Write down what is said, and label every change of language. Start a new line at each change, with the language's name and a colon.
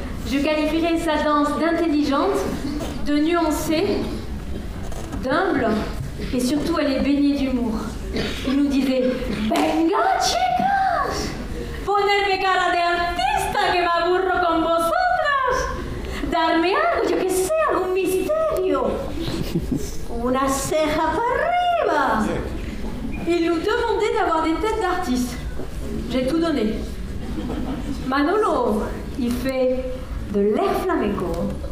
French: Je qualifierais sa danse d'intelligente, de nuancée, d'humble. Et surtout, elle est baignée d'humour. Il nous disait «
Spanish: Venga, chicas! Ponerme cara de artista que me aburro con vosotras! Darme algo, yo que sé, algún misterio! Una ceja para arriba!
French: » Il nous demandait d'avoir des têtes d'artiste. J'ai tout donné. Manolo, il fait de l'air flamenco.